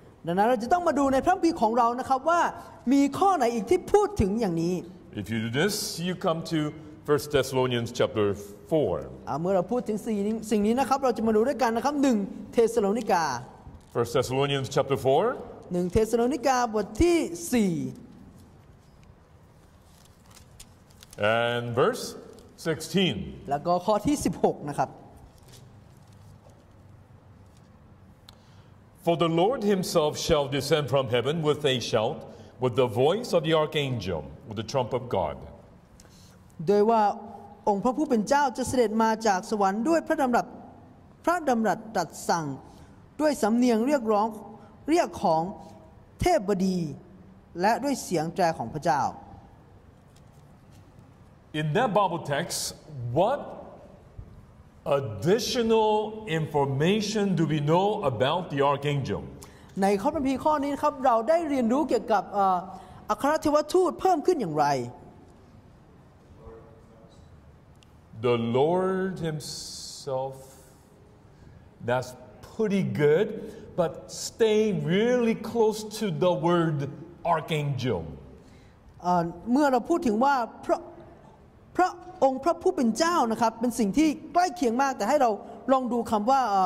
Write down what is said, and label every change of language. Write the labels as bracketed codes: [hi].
[th] ดังนั้นเราจะต้องมาดูในพระคัมภีร์ของเรานะครับว่ามีข้อไหนอีกที่พูดถึงอย่างนี้ [en] If you do this, you come to 1 Thessalonians chapter 4. [th] เมื่อเราพูดถึงสิ่งนี้นะครับเราจะมาดูด้วยกันนะครับ1เทสโลนิกา [en] 1 Thessalonians chapter 4. [th] 1เทสโลนิกาบทที่4 [en] And verse 16. [th] แล้วก็ข้อที่16นะครับ [en] For the Lord himself shall descend from heaven with a shout, with the voice of the archangel, with the trump of God. [th] ด้วยว่าองค์พระผู้เป็นเจ้าจะเสด็จมาจากสวรรค์ด้วยพระดำรัสตรัสสั่งด้วยสำเนียงเรียกร้องเรียกของเทพบดีและด้วยเสียงแตรของพระเจ้า [en] In that Bible text, what additional information do we know about the archangel? [th] ในข้อพิมพ์ข้อนี้ครับเราได้เรียนรู้เกี่ยวกับอัครเทวทูตเพิ่มขึ้นอย่างไร [en] The Lord Himself. That's pretty good, but stay really close to the word archangel. [th] เมื่อเราพูดถึงว่าพระองค์พระผู้เป็นเจ้านะครับเป็นสิ่งที่ใกล้เคียงมากแต่ให้เราลองดูคำว่า